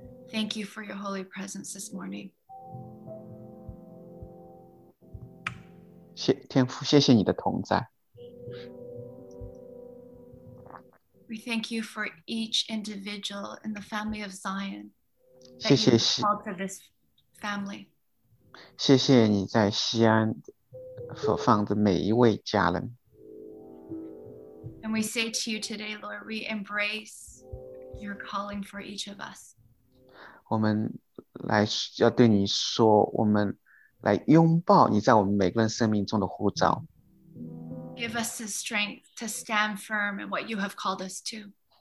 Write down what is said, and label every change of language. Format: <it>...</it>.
<en>Thank you for your holy presence this morning.</en> <zh>天父, 谢谢你的同在。</zh> <en>We thank you for each individual in the family of Zion.</en> <zh>谢谢,</zh> <en>that you called to this family.</en> <zh>谢谢你在西安所放的每一位家人。</zh> <en>And we say to you today, Lord, we embrace your calling for each of us.</en> <zh>我们来要对你说, 我们来拥抱你在我们每个人生命中的呼召。</zh> <en>Give us the strength to stand firm in what you have called us to.</en>